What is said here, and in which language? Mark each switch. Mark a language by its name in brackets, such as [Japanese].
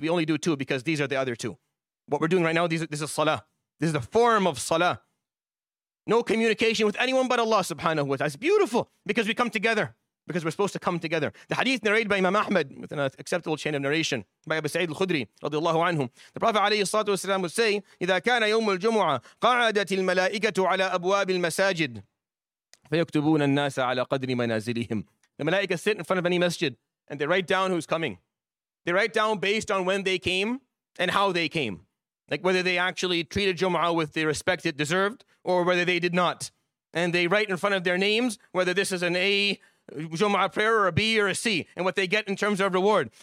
[English] We only do 2 because these are the other 2. What we're doing right now, this is salah. This is the form of salah. No communication with anyone but Allah subhanahu wa ta'ala. It's beautiful because we come together. Because we're supposed to come together. The hadith narrated by Imam Ahmad with an acceptable chain of narration by Abu Sa'id al-Khudri radiallahu anhu. The Prophet alayhi salatu wasalam would say, [Arabic] إِذَا كَانَ يَوْمُ الْجُمُعَةِ قَعَدَتِ الْمَلَائِكَةُ عَلَىٰ أَبْوَابِ الْمَسَاجِدِ فَيَكْتُبُونَ النَّاسَ عَلَىٰ قَدْرِ مَنَازِلِهِمْ. [English] The malaika sit in front of any masjid and they write down who's coming. They write down based on when they came and how they came. Like whether they actually treated Jumu'ah with the respect it deserved or whether they did not. And they write in front of their names whether this is an A Jumu'ah prayer or a B or a C, and what they get in terms of reward.